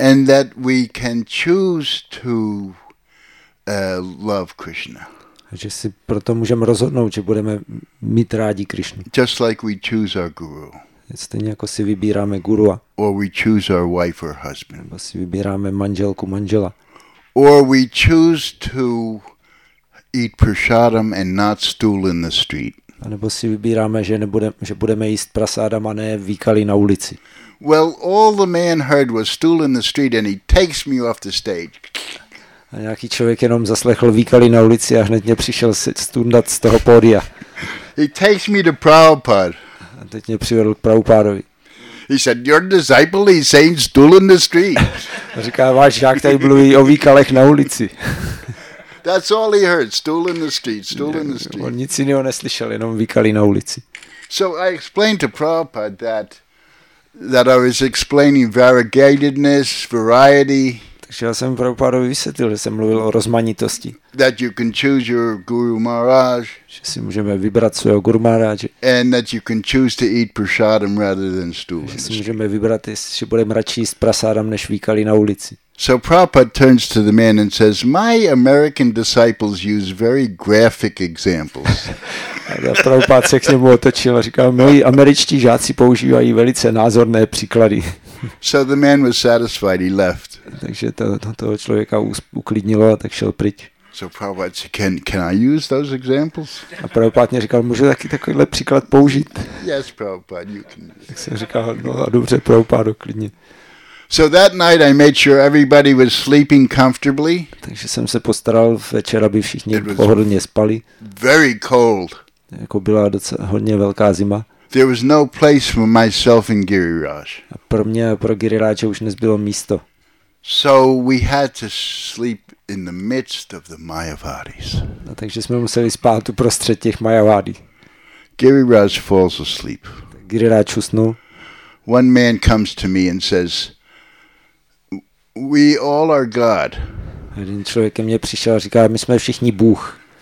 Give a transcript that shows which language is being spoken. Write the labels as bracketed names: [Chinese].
[English] And that we can choose to love Krishna. [Czech] Že si proto můžeme rozhodnout, že budeme mít rádi Krishnu. [English] Just like we choose our guru. [Czech] Stejně jako si vybíráme gurua. [English] Or we choose our wife or husband. [Czech] Nebo si vybíráme manželku, manžela. [English] Or we choose to eat prasadam and not stool in the street. [Czech] A nebo si vybíráme, že budeme jíst prasadam a ne výkali na ulici. [English] Well, all the man heard was stool in the street and he takes me off the stage. [Czech] A nějaký člověk jenom zaslechl výkali na ulici a hned mě přišel stundat z toho pódia. [English] He takes me to Prabhupada. [Czech] A teď mě přivedl k Prabhupádovi. [English] He said, "Your disciple is saying stool in the street." [Czech] Říká, váš žák tady mluví o výkalech na ulici. [English] That's all he heard, stool in the street, stool in the street. [Czech] On nic jiného neslyšel, jenom výkali na ulici. [English] So I explained to Prabhupada that I was explaining variegatedness, variety. [Czech] Takže já jsem Prabhupádovi vysvětlil, že jsem mluvil o rozmanitosti. [English] That you can choose your Guru Maharaj. [Czech] Že si můžeme vybrat svého Guru Maharaj. [English] And that you can choose to eat prasadam rather than stool. [Czech] Že si můžeme vybrat, jestli budeme radši jíst prasadam, než výkali na ulici. [English] So Prabhupada turns to the man and says, my American disciples use very graphic examples. [Czech] Prabhupada se k němu otočil a říkal, moji američtí žáci používají velice názorné příklady. [English] So the man was satisfied, he left. [Czech] Takže toho člověka uklidnilo a tak šel pryč. [English] So Prabhupada said, can I use those examples? [Czech] A Prabhupada říkal, můžu taky takovýhle příklad použít? [English] Yes, Prabhupada, you can. [Czech] Tak jsem říkal, no a dobře, Prabhupada, klidně. [English] So that night I made sure everybody was sleeping comfortably. [Czech] Takže jsem se postaral večer, aby všichni pohodlně spali. [English] Very cold. [Czech] Jako byla docela hodně velká zima. [English] There was no place for myself in Giriraj. [Czech] A pro mě a pro Giriraje už nezbylo místo. [English] So we had to sleep in the midst of the Mayavadis. [Czech] No, takže jsme museli spát uprostřed těch Mayavadí. [English] Giriraj falls asleep. [Czech] Giriraj usnul. [English] One man comes to me and says, "We all are God." [Czech] Jeden člověk ke mně přišel a říká, my jsme všichni Bůh.